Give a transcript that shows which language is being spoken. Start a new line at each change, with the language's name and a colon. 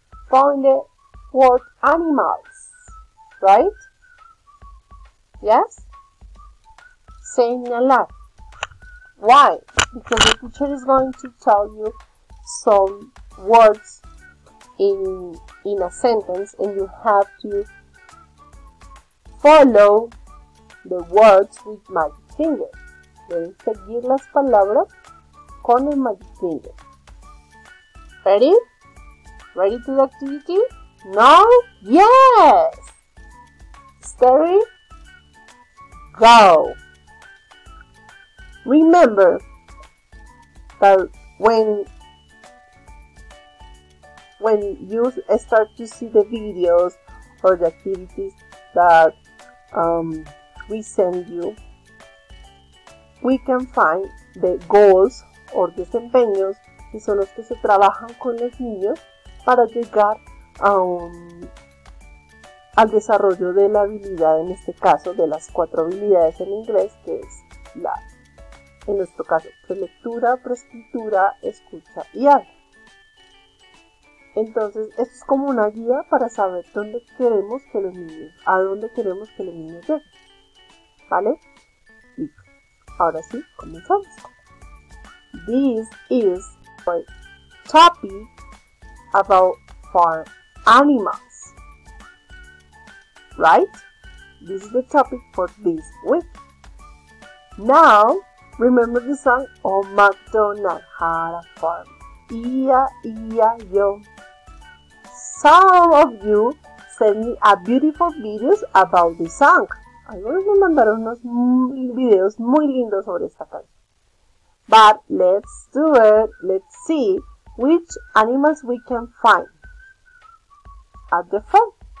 English: Point the word animals, right? Yes? Señalar. Why? Because the teacher is going to tell you some words in a sentence and you have to follow the words with magic finger.
Spanish: Deben seguir las palabras con el magic finger.
English: Ready? Ready to the activity? No? Yes! Steady? Go! Remember that when you start to see the videos or the activities that we send you, we can find the goals or
Spanish: desempeños, que son los que se trabajan con los niños para llegar al desarrollo de la habilidad, en este caso de las cuatro habilidades en inglés, que es la, en nuestro caso, prelectura, preescritura, escucha y habla. Entonces, esto es como una guía para saber dónde queremos que los niños, a dónde queremos que los niños lleguen. ¿Vale? Y ahora sí, comenzamos.
English: This is my topic about farm animals, right? This is the topic for this week. Now, remember the song, Old MacDonald had a farm. E-I-E-I-O. Some of you sent me a beautiful videos about this song.
Spanish: Algunos me mandaron unos videos muy lindos sobre esta canción.
English: But let's do it. Let's see which animals we can find at the farm.